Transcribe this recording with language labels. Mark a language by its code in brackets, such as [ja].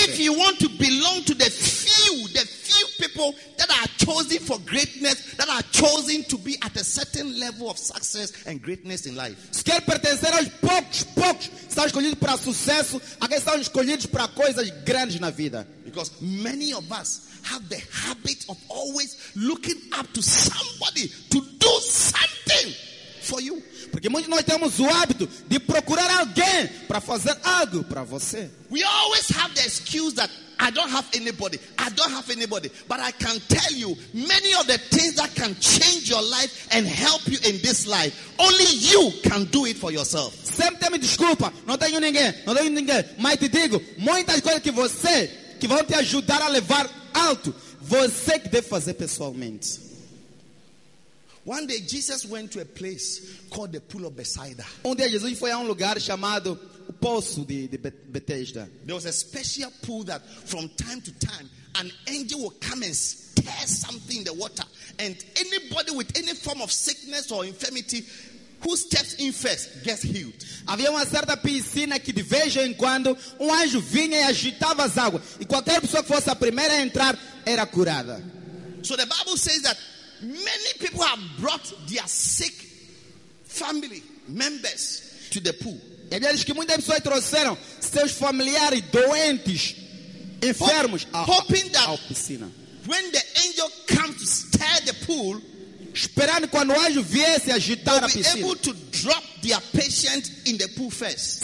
[en] If you want to belong to the few people that are chosen for greatness, that are chosen to be at a certain level of success and greatness in life. [pt] Se quer pertencer aos poucos, estão escolhidos para sucesso, aqueles estão escolhidos para coisas grandes na vida. [en] Because many of us have the habit of always looking up to somebody to do something for you. [pt] Porque muitos de nós temos o hábito de procurar alguém para fazer algo para você. [en] We always have the excuse that I don't have anybody. I don't have anybody. But I can tell you, many of the things that can change your life and help you in this life, only you can do it for yourself. [pt] Sempre me desculpa, não tenho ninguém. Mas te digo, muitas coisas que você, que vão te ajudar a levar alto, você que deve fazer pessoalmente. [en] One day Jesus went to a place called the Pool of Bethesda. [pt] Um dia Jesus foi a lugar chamado o Poço de Bethesda. [en] There was a special pool that from time to time an angel would come and stir something in the water, and anybody with any form of sickness or infirmity who steps in first gets healed. [pt] Havia uma certa piscina que de vez em quando um anjo vinha e agitava as águas, e qualquer pessoa que fosse a primeira a entrar era curada. [en] So the Bible says that many people have brought their sick family members to the pool. [pt] E ele diz que muitas pessoas trouxeram seus familiares doentes, enfermos, à piscina. [en] When the angel comes to stir the pool, [pt] esperando quando o anjo viesse agitar a piscina, [en] able to drop their patient in the pool first.